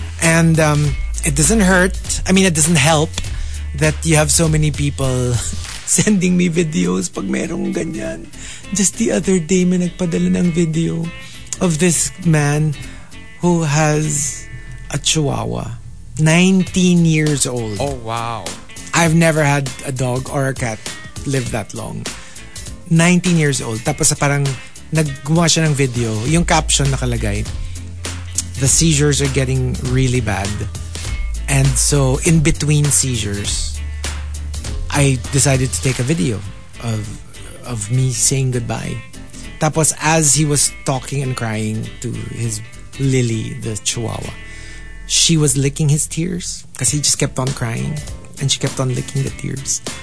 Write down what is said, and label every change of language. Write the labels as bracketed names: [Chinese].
[English] And it doesn't hurt. I mean, it doesn't help that you have so many people sending me videos [Filipino] pag merong ganyan. [English] Just the other day, [Filipino] may nagpadala ng video [English] of this man who has a chihuahua. 19 years old. Oh, wow. I've never had a dog or a cat live that long. 19 years old. [Filipino] Tapos parang naggawa siya ng video. Yung caption nakalagay, [English] the seizures are getting really bad. And so, in between seizures, I decided to take a video of me saying goodbye. Tapos as he was talking and crying to his Lily, the chihuahua, she was licking his tears because he just kept on crying and she kept on licking the tears.